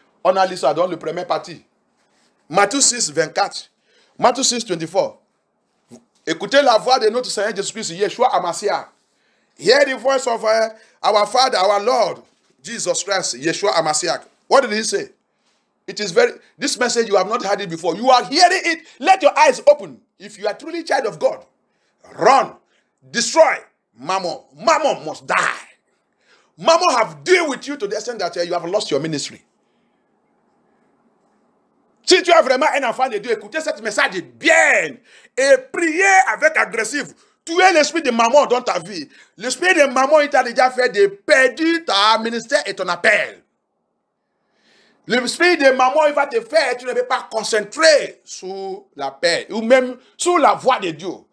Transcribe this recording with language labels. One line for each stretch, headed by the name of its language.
French: On a lu ça dans le premier partie. Matthieu 6, 24. Matthieu 6, 24. Écoutez la voix de notre Seigneur Jésus-Christ, Yeshua Amasia.
English: Hear the voice of our Father, our Lord, Jesus Christ, Yeshua Amasia. What did he say? It is very, this message, you have not heard it before. You are hearing it. Let your eyes open. If you are truly child of God, run, destroy Mammon. Mammon must die. Mammon have deal with you to the extent that you have lost your ministry.
French: Si tu as vraiment un enfant de Dieu, écoutez cette message bien et priez avec agressif. Tu es l'esprit de Mammon dans ta vie. L'esprit de Mammon, il t'a déjà fait de perdre ta ministère et ton appel. L'esprit de Mammon, il va te faire, tu ne vas pas concentrer sur l'appel ou même sur la voix de Dieu.